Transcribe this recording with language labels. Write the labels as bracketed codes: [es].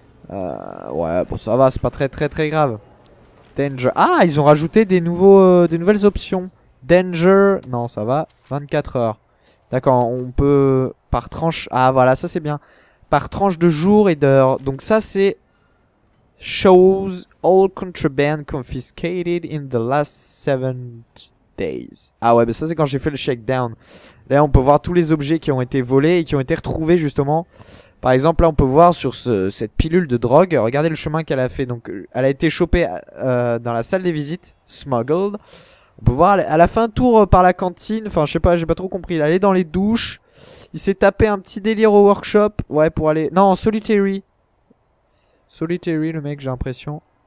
[fr] Ouais, bon, ça va, c'est pas très, très, très grave. Danger. Ah, ils ont rajouté des nouvelles options. Danger. Non, ça va. 24 heures. D'accord, on peut. Par tranche. Ah, voilà, ça c'est bien. Par tranche de jour et d'heure. Donc, ça c'est. [en] Shows all contraband confiscated in the last 7 days. [fr] Ah, ouais, bah ça c'est quand j'ai fait le shakedown. Là, on peut voir tous les objets qui ont été volés et qui ont été retrouvés justement. Par exemple, là, on peut voir sur cette pilule de drogue. Regardez le chemin qu'elle a fait. Donc, elle a été chopée dans la salle des visites. Smuggled. On peut voir à la fin tour par la cantine, enfin je sais pas, j'ai pas trop compris. Il allait dans les douches, il s'est tapé un petit délire au workshop, ouais pour aller, non solitary, solitary le mec j'ai l'impression.